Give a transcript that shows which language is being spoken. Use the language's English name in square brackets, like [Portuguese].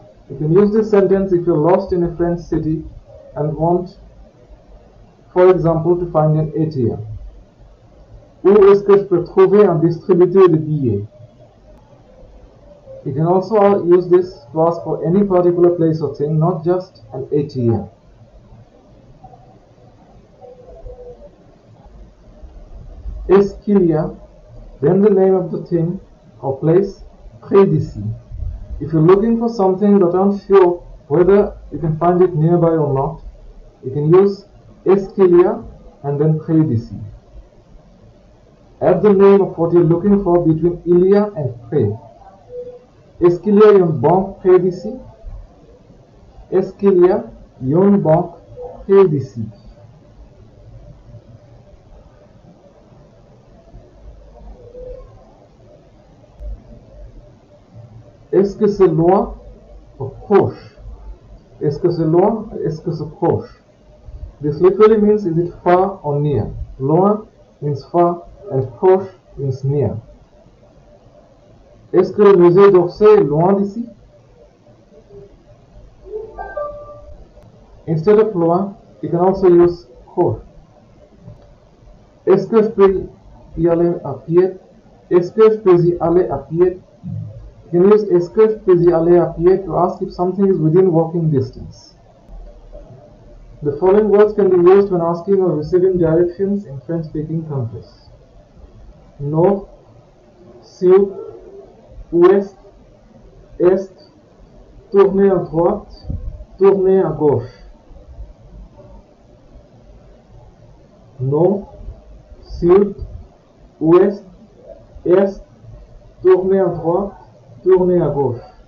[English] You can use this sentence if you're lost in a French city and want, for example, to find an ATM. [French] Où est-ce que je peux trouver un distributeur de billets? [English] You can also use this to ask for any particular place or thing, not just an ATM. [French] Est-ce qu'il y a, [English] then the name of the thing or place, [French] près d'ici. [English] If you're looking for something but aren't sure whether you can find it nearby or not, you can use [French] Est-ce qu'il y a [English] and then [French] près d'ici. [English] Add the name of what you're looking for between [French] il y a [English] and près. [French] Est-ce qu'il y a une banque près d'ici? Est-ce qu'il y a une banque près d'ici? Est-ce que c'est loin ou proche? Est-ce que c'est loin ou est-ce que c'est proche? [English] This literally means is it far or near? Loin means far and proche means near. [French] Est-ce que le musée d'Orsay est loin d'ici? [English] Instead of loin, you can also use proche. [French] Est-ce que je peux y aller à pied? Est-ce que je peux y aller à pied? [English] You can use [French] Est-ce que je peux y aller à pied [English] to ask if something is within walking distance. The following words can be used when asking or receiving directions in French-speaking countries. [French] Nord, sud, ouest, est, tourner à droite, tourner à gauche. Nord, sud, ouest, est, tourner à droite, tourner à gauche.